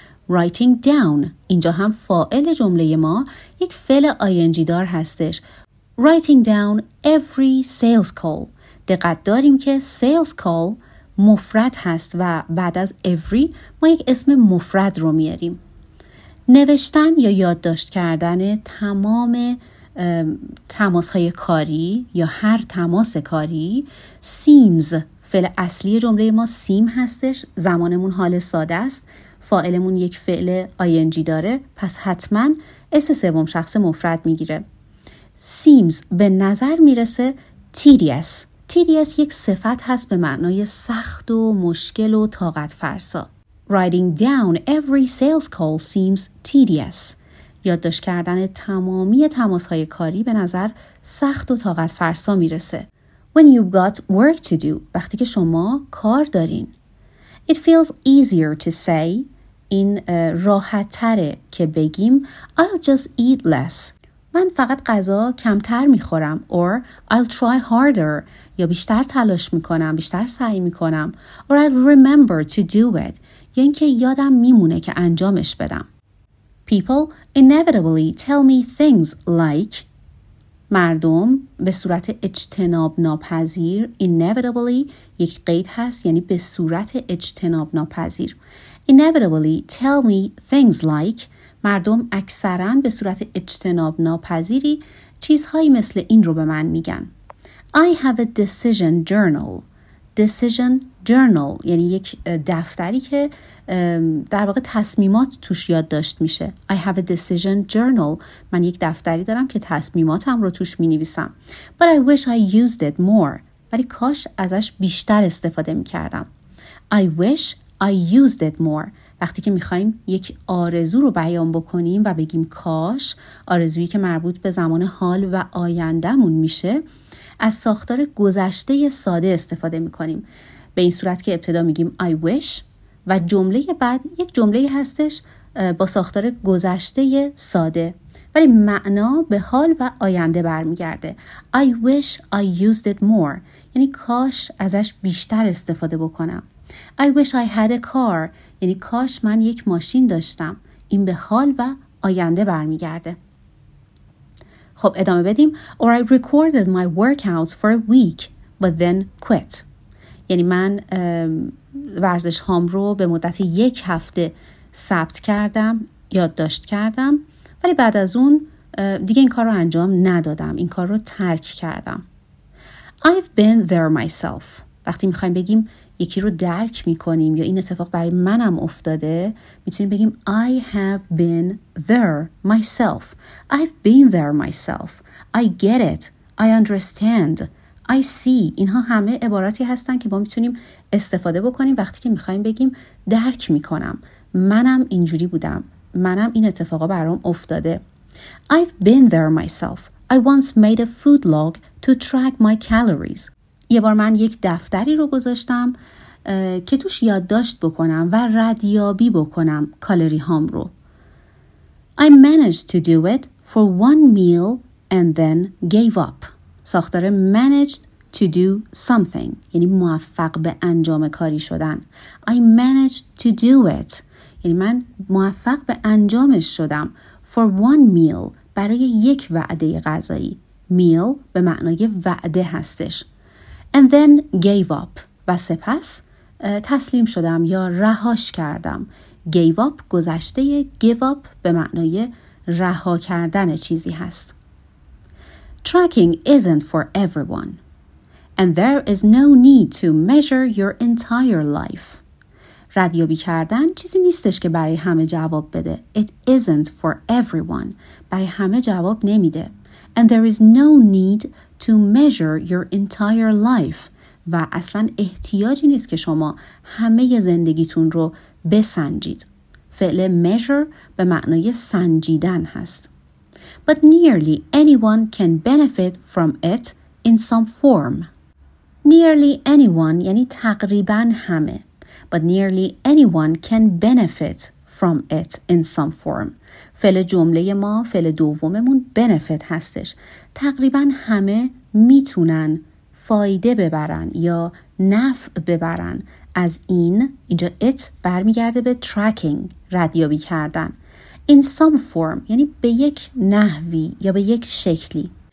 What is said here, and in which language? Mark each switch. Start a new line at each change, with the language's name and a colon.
English: Writing down
Persian: اینجا هم فاعل جمله ما یک فعل ing دار هستش.
English: Writing down every sales call.
Persian: دقت داریم که sales call مفرد هست و بعد از every ما یک اسم مفرد رو میاریم. نوشتن یا یادداشت کردن تمام تماس‌های کاری یا هر تماس کاری. seems فعل اصلی جمله ما seem هستش، زمانمون حال ساده است، فاعلمون یک فعل ing داره، پس حتما اس سوم شخص مفرد میگیره. seems به نظر میرسه tedious. tedious یک صفت هست به معنای سخت و مشکل و طاقت فرسا.
English: Writing down every sales call seems tedious.
Persian: یادداشت کردن تمامی تماس‌های کاری به نظر سخت و طاقت فرسا میرسه.
English: When you've got work to do.
Persian: وقتی که شما کار دارین.
English: It feels easier to say.
Persian: این راحت تره که بگیم
English: I'll just eat less.
Persian: من فقط غذا کمتر میخورم.
English: Or I'll try harder.
Persian: یا بیشتر تلاش میکنم، بیشتر سعی میکنم.
English: Or I'll remember to do it.
Persian: یا اینکه یادم میمونه که انجامش بدم.
English: People inevitably tell me things like.
Persian: مردم به صورت اجتناب ناپذیر. Inevitably یک قید هست، یعنی به صورت اجتناب ناپذیر.
English: Inevitably tell me things like.
Persian: مردم اکثراً به صورت اجتناب ناپذیری چیزهایی مثل این رو به من میگن.
English: I have a decision journal.
Persian: Decision journal یعنی یک دفتری که در واقع تصمیمات توش یادداشت میشه.
English: I have a decision journal.
Persian: من یک دفتری دارم که تصمیماتم رو توش مینویسم.
English: But I wish I used it more.
Persian: ولی کاش ازش بیشتر استفاده میکردم.
English: I wish I used it more.
Persian: وقتی که میخواییم یک آرزو رو بیان بکنیم و بگیم کاش، آرزویی که مربوط به زمان حال و آیندهمون میشه، از ساختار گذشته ساده استفاده میکنیم. به این صورت که ابتدا میگیم
English: I wish
Persian: و جمله بعد یک جمله هستش با ساختار گذشته ساده، ولی معنا به حال و آینده برمیگرده.
English: I wish I used it more
Persian: یعنی کاش ازش بیشتر استفاده بکنم.
English: I wish I had a car
Persian: یعنی کاش من یک ماشین داشتم. این به حال و آینده برمیگرده. خب ادامه بدیم.
English: Or I recorded my workouts for a week but then quit.
Persian: یعنی من ورزش هام رو به مدت یک هفته ثبت کردم، یادداشت کردم، ولی بعد از اون دیگه این کار رو انجام ندادم، این کار رو ترک کردم.
English: I've been there myself.
Persian: وقتی میخوایم بگیم یکی رو درک میکنیم یا این اتفاق برای منم افتاده، میتونیم بگیم
English: I have been there myself. I've been there myself. I get it. I understand. I see.
Persian: اینها همه عباراتی هستن که ما میتونیم استفاده بکنیم وقتی که میخوایم بگیم درک میکنم، منم اینجوری بودم، منم این اتفاقا برام افتاده.
English: I've been there myself. I once made a food log to track my calories.
Persian: یه بار من یک دفتری رو گذاشتم که توش یادداشت بکنم و ردیابی بکنم کالری هام رو.
English: I managed to do it for one meal and then gave up.
Persian: ساختار
English: managed to do something
Persian: یعنی موفق به انجام کاری شدن.
English: I managed to do it
Persian: یعنی من موفق به انجامش شدم.
English: For one meal
Persian: برای یک وعده غذایی. Meal به معنای وعده هستش.
English: And then gave up
Persian: و سپس تسلیم شدم یا رهاش کردم. Gave up گذشته give up به معنای رها کردن چیزی هست.
English: Tracking isn't for everyone. And there is no need to measure your entire life.
Persian: ردیابی کردن چیزی نیستش که برای همه جواب بده.
English: It isn't for everyone.
Persian: برای همه جواب نمیده.
English: And there is no need to measure your entire life
Persian: و اصلا احتیاجی نیست که شما همه زندگیتون رو بسنجید. فعل measure به معنای سنجیدن هست.
English: But nearly anyone can benefit from it in some form. Nearly anyone
Persian: یعنی تقریبا همه.
English: But nearly anyone can benefit from it in some form.
Persian: فعل جمله ما، فعل دوممون benefit هستش. تقریبا همه میتونن فایده ببرن یا نفع ببرن از این. اینجا it برمیگرده به tracking، ردیابی کردن.
English: In some form
Persian: یعنی به یک نحوی یا به یک شکلی.